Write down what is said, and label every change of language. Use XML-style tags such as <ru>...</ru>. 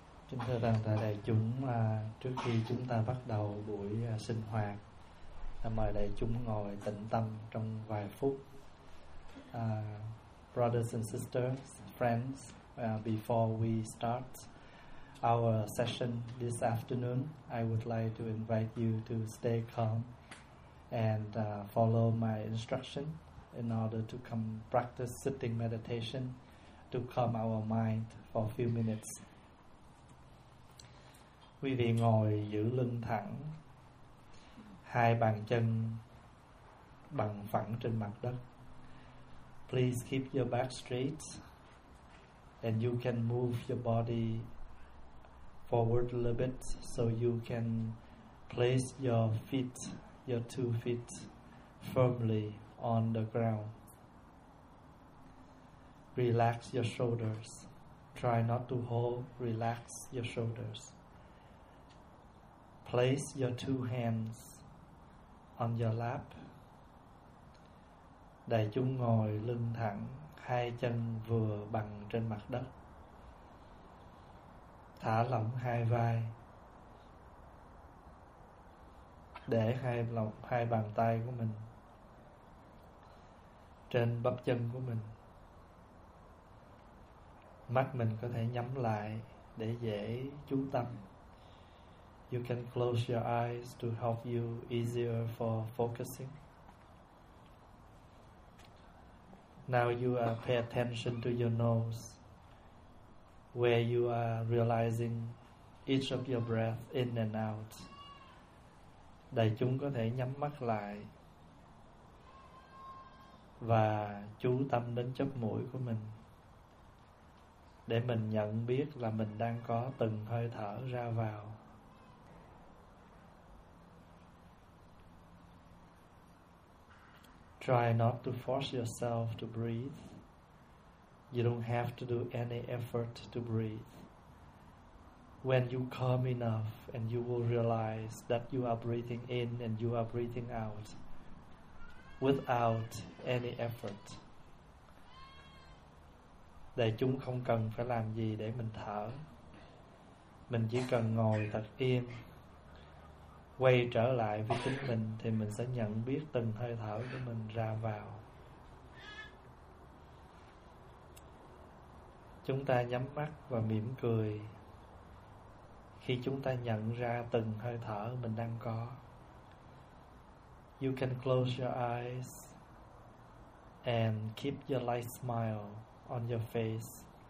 <vi>Chúng thưa toàn thể đại chúng, trước khi chúng ta bắt đầu buổi sinh hoạt, mời đại chúng ngồi tĩnh tâm trong vài phút.</vi> <en>Brothers and sisters, friends, before we start our session this afternoon, I would like to invite you to stay calm and follow my instruction in order to come practice sitting meditation to calm our mind for a few minutes.</en> <vi>Quý vị ngồi giữ lưng thẳng, hai bàn chân bằng phẳng trên mặt đất.</vi> <en>Please keep your back straight and you can move your body forward a little bit so you can place your two feet firmly on the ground. Relax your shoulders. Try not to hold, relax your shoulders. Place your two hands on your lap.</en> <vi>Đại chúng ngồi lưng thẳng, hai chân vừa bằng trên mặt đất. Thả lỏng hai vai. Để hai bàn tay của mình trên bắp chân của mình. Mắt mình có thể nhắm lại để dễ chú tâm.</vi> <en>You can close your eyes to help you easier for focusing. Now you are pay attention to your nose, where you are realizing each of your breath in and out.</en> <vi>Đại chúng có thể nhắm mắt lại và chú tâm đến chóp mũi của mình để mình nhận biết là mình đang có từng hơi thở ra vào.</vi> <en>Try not to force yourself to breathe. You don't have to do any effort to breathe. When you calm enough and you will realize that you are breathing in and you are breathing out without any effort.</en> <vi>Đại chúng không cần phải làm gì để mình thở. Mình chỉ cần ngồi thật yên. Quay trở lại với chính mình thì mình sẽ nhận biết từng hơi thở của mình ra vào. Chúng ta nhắm mắt và mỉm cười khi chúng ta nhận ra từng hơi thở mình đang có.</vi> <en>You can close your eyes and keep your light smile on your face.</en>